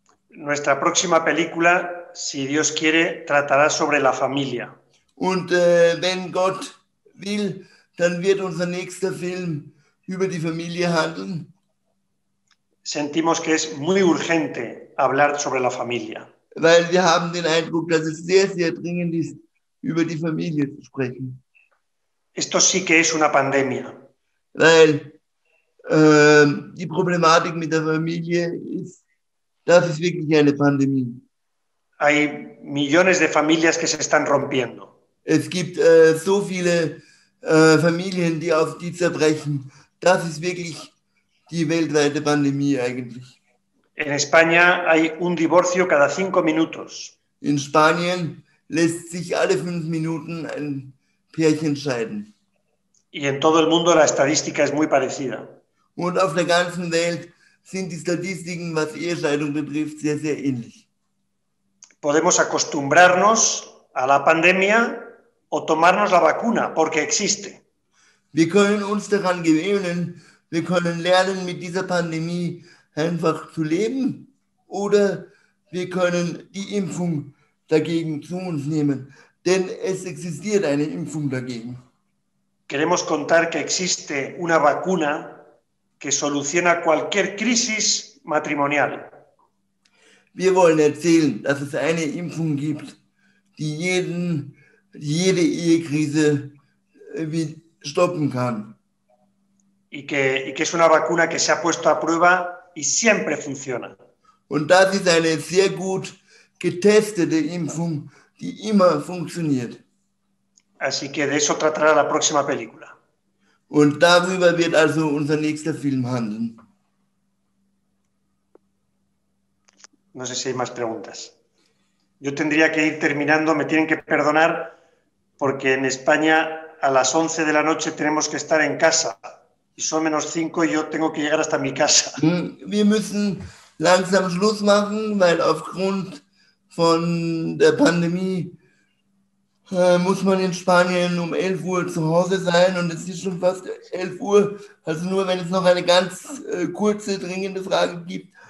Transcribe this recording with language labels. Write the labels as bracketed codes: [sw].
[es] Nuestra próxima película, si Dios quiere, tratará sobre la familia. [de] Und wenn Gott will, dann wird unser nächster Film über die Familie handeln. [es] Sentimos que es muy urgente hablar sobre la familia. [de] Weil wir haben den Eindruck, dass es sehr, sehr dringend ist, über die Familie zu sprechen. [es] Esto sí que es una pandemia. [de] Weil die Problematik mit der Familie ist, das ist wirklich eine Pandemie. [es] Hay millones de familias que se están rompiendo. [de] Es gibt so viele Familien, die auf die zerbrechen. Das ist wirklich die weltweite Pandemie eigentlich. [es] En España hay un divorcio cada 5 minutos. [de] In Spanien lässt sich alle 5 Minuten ein Pärchen scheiden. [es] Y en todo el mundo la estadística es muy parecida. [de] Und auf der ganzen Welt sind die Statistiken, was Ehescheidung betrifft, sehr, sehr ähnlich. [es] Podemos acostumbrarnos a la pandemia o tomarnos la vacuna, porque existe. [de] Wir können uns daran gewöhnen, wir können lernen, mit dieser Pandemie einfach zu leben, oder wir können die Impfung dagegen zu uns nehmen, denn es existiert eine Impfung dagegen. [es] Queremos contar que existe una vacuna que soluciona cualquier crisis matrimonial. [de] Wir wollen erzählen, dass es eine Impfung gibt, die jede Ehekrise stoppen kann. [es] Y que es una vacuna que se ha puesto a prueba y siempre funciona. [de] Und das ist eine sehr gut getestete Impfung, die immer funktioniert. [es] Así que de eso tratará la próxima película. [de] Und darüber wird also unser nächster Film handeln. [es] No sé si hay más preguntas. Yo tendría que ir terminando, me tienen que perdonar, porque en España a las 11 de la noche tenemos que estar en casa. Y son menos 5 y yo tengo que llegar hasta mi casa. [de] Wir müssen langsam Schluss machen, weil aufgrund von der Pandemie muss man in Spanien um 11 Uhr zu Hause sein und es ist schon fast 11 Uhr. Also nur, wenn es noch eine ganz kurze, dringende Frage gibt.